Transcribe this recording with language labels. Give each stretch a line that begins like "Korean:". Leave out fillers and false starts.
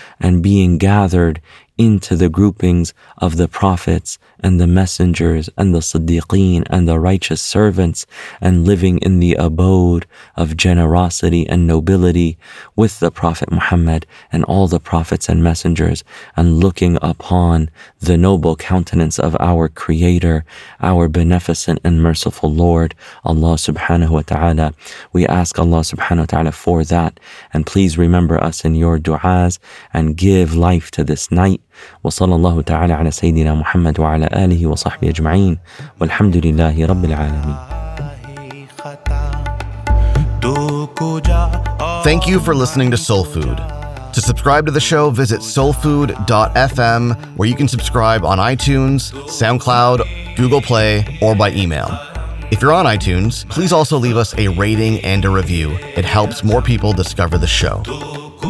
English: and being gathered into the groupings of the prophets and the messengers and the Siddiqeen and the righteous servants, and living in the abode of generosity and nobility with the Prophet Muhammad and all the prophets and messengers, and looking upon the noble countenance of our Creator, our beneficent and merciful Lord, Allah subhanahu wa ta'ala. We ask Allah subhanahu wa ta'ala for that, and please remember us in your du'as and give life to this night.
Arabic: وصلى الله تعالى على سيدنا محمد وعلى آله وصحبه أجمعين والحمد لله رب العالمين.
English: Thank you for listening to Soul Food. To subscribe to the show, visit soulfood.fm, where you can subscribe on iTunes, SoundCloud, Google Play, or by email. If you're on iTunes, please also leave us a rating and a review. It helps more people discover the show.